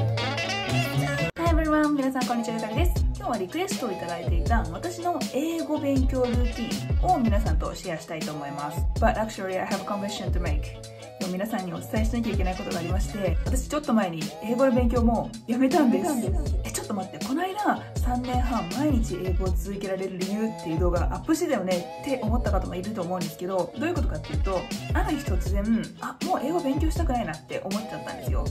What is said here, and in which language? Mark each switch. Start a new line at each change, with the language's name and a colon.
Japanese: こんにちは、ゆかりです。今日はリクエストをいただいていた私の英語勉強ルーティーンを皆さんとシェアしたいと思います。
English: But actually, I have a confession to make.
Japanese: 皆さんにお伝えしなきゃいけないことがありまして、私ちょっと前に英語の勉強もやめたんです。ちょっと待って、この間3年半毎日英語を続けられる理由っていう動画アップしてたよねって思った方もいると思うんですけど、どういうことかっていうと、ある日突然もう英語勉強したくないなって思っちゃったんですよ。